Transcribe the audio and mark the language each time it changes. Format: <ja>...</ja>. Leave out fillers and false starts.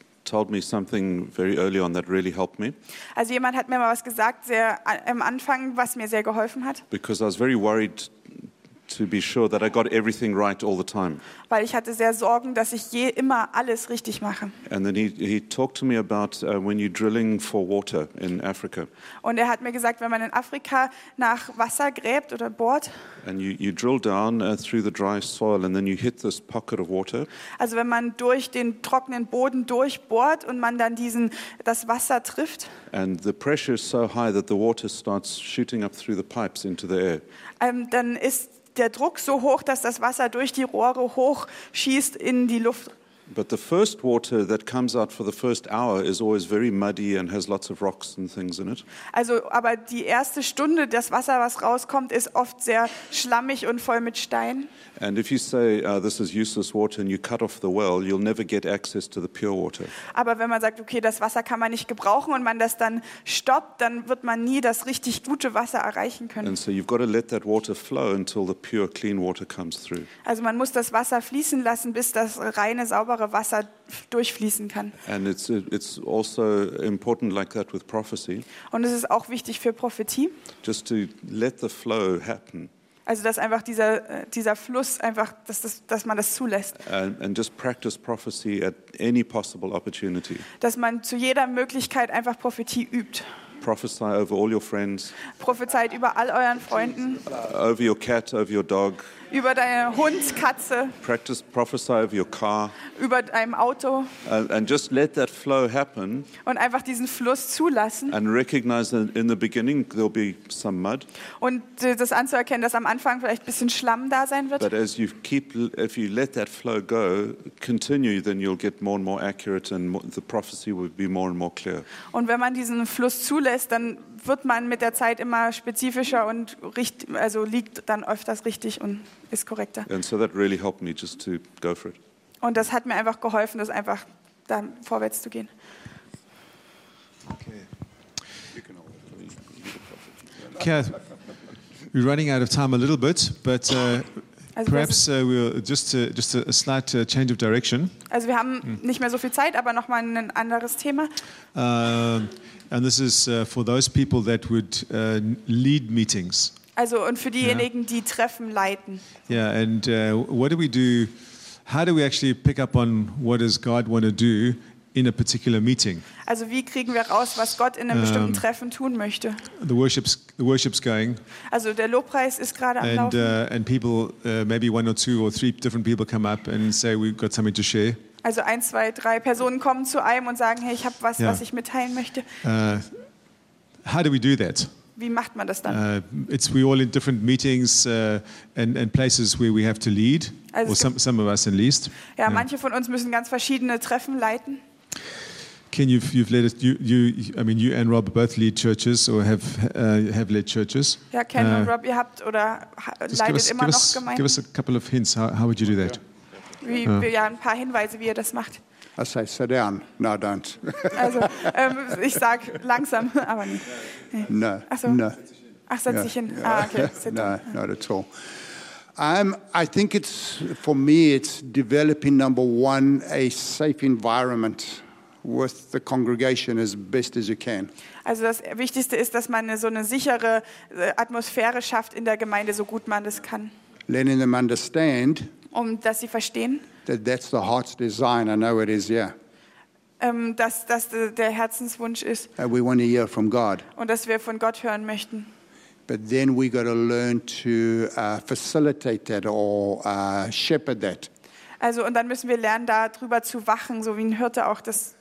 <en>told me something very early on that really helped me.</en> <de>Also jemand hat mir mal was gesagt, sehr am Anfang, was mir sehr geholfen hat.</de> <en>Because I was very worried to be sure that I got everything right all the time.</en> <de>Weil ich hatte sehr Sorgen, dass ich je immer alles richtig mache.</de> <en>And then he talked to me about when you're drilling for water in Africa.</en> <de>Und hat mir gesagt, wenn man in Afrika nach Wasser gräbt oder bohrt.</de> <en>And you drill down through the dry soil and then you hit this pocket of water.</en> <de>Also wenn man durch den trockenen Boden durchbohrt und man dann das Wasser trifft.</de> <en>And the pressure is so high that the water starts shooting up through the pipes into the air.</en> <de>Dann ist der Druck so hoch, dass das Wasser durch die Rohre hoch schießt in die Luft.</de> <en>But the first water that comes out for the first hour is always very muddy and has lots of rocks and things in it.</en> <de>Also, aber die erste Stunde, das Wasser, was rauskommt, ist oft sehr schlammig und voll mit Steinen.</de> <en>And if you say this is useless water and you cut off the well, you'll never get access to the pure water.</en> <de>Aber wenn man sagt, okay, das Wasser kann man nicht gebrauchen und man das dann stoppt, dann wird man nie das richtig gute Wasser erreichen können.</de> <en>And so you've got to let that water flow until the pure, clean water comes through.</en> <de>Also man muss das Wasser fließen lassen, bis das reine, saubere Wasser durchfließen kann.</de> <en>And it's also important like that with prophecy.</en> <de>Und es ist auch wichtig für Prophetie.</de> <en>Just to let the flow happen.</en> <de>Also dass einfach dieser Fluss einfach, dass man das zulässt.</de> <en>And just practice prophecy at any possible opportunity.</en> <de>Dass man zu jeder Möglichkeit einfach Prophetie übt.</de> <en>Prophesy over all your friends.</en> <de>Prophezeit über all euren Freunden.</de> <en>Over your cat, over your dog.</en> <de>Über deinen Hund, Katze.</de> <en>Practice prophesy over your car.</en> <de>Über deinem Auto.</de> <en>And just let that flow happen.</en> <de>Und einfach diesen Fluss zulassen.</de> <en>And recognize that in the beginning there'll be some mud.</en> <de>Und das anzuerkennen, dass am Anfang vielleicht ein bisschen Schlamm da sein wird.</de> <en>But as you keep, if you let that flow go, continue, then you'll get more and more accurate, and the prophecy will be more and more clear.</en> <de>Und wenn man diesen Fluss zulässt, dann wird man mit der Zeit immer spezifischer und also liegt dann öfters richtig und ist korrekter.</de> <en>And so that really helped me just to go for it.</en> <de>Und das hat mir einfach geholfen, das einfach dann vorwärts zu gehen.</de> <en>Okay. Okay, we're running out of time a little bit, but perhaps we'll just a slight change of direction.</en> <de>Also wir haben nicht mehr so viel Zeit, aber nochmal ein anderes Thema.</de> <en>And this is for those people that would lead meetings.</en> <de>Also und für diejenigen, die Treffen leiten.</de> <en>Yeah, and what do we do? How do we actually pick up on what does God want to do in a particular meeting?</en> <de>Also wie kriegen wir raus, was Gott in einem bestimmten Treffen tun möchte?</de> <en>The worship's going.</en> <de>Also der Lobpreis ist gerade am Laufen.</de> <en>And people, maybe one or two or three different people come up and say we've got something to share.</en> <de>Also 1, 2, 3 Personen kommen zu einem und sagen, hey, ich habe was, was ich mitteilen möchte.</de> <en>How do we do that?</en> <de>Wie macht man das dann?</de> <en>It's we all in different meetings and places where we have to lead, also or some of us at least.</en> <de>Ja, manche von uns müssen ganz verschiedene Treffen leiten.</de> <en>Ken, you've led it. You and Rob both lead churches or have led churches.</en> <de>Ja, Ken und Rob, ihr habt oder leitet us, immer noch Gemeinden.</de> <en>Give us a couple of hints. How would you do that?</en> <de>Ein paar Hinweise, wie ihr das macht.</de> <en>I say, sit down. No, don't.</en> <de>Also, ich sag langsam, aber nicht.</de> <en>No.</en> <de>Ach so.</de> <en>No.</en> <de>Ach, setz dich hin. Ah, okay.</de> <en>Sit down. No, not at all. I think it's, for me, it's developing, number one, a safe environment with the congregation as best as you can.</en> <de>Also das Wichtigste ist, dass man so eine sichere Atmosphäre schafft in der Gemeinde, so gut man das kann.</de> <en>Letting them understand,</en> <de>dass sie verstehen,</de> <en>that's the heart's design. I know it is, yeah.</en> <de>Dass der Herzenswunsch ist.</de> <en>And we want to hear from God.</en> <de>Und dass wir von Gott hören möchten.</de> <en>But then we got to learn to facilitate that or shepherd that.</en> <de>Also und dann müssen wir lernen, da drüber zu wachen, so wie ein Hirte auch das.</de>